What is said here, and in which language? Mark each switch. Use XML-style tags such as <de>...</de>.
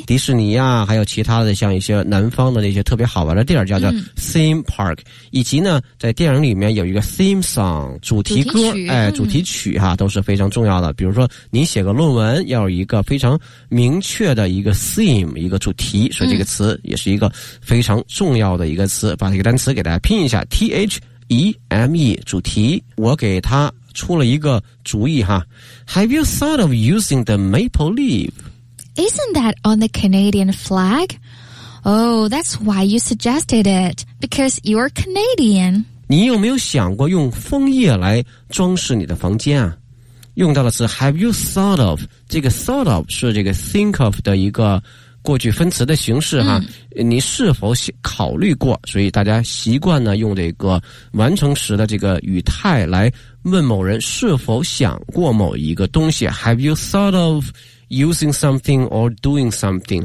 <zh>迪士尼啊，还有其他的像一些南方的那些特别好玩的地儿叫做 theme park, 以及呢在电影里面有一个 theme song, 主题歌，主题曲哈，都是非常重要的。比如说你写个论文要有一个非常明确的一个 theme, 一个主题，所以这个词也是一个非常重要的一个词。把这个单词给大家拼一下 THEME 主题，我给他出了一个主意哈。</zh> <en>Have you thought of using the maple leaf? Isn't that on the Canadian flag? Oh, that's why you suggested it, because you're Canadian.</en> <zh>你有没有想过用枫叶来装饰你的房间啊？用到的是</zh> <en>Have you thought of?</en> <zh>这个 thought of 是这个 think of 的一个过去分词的形式哈，你是否考虑过？所以大家习惯呢用这个完成时的这个语态来问某人是否想过某一个东西。</zh> <en>Have you thought of using something or doing something?</en>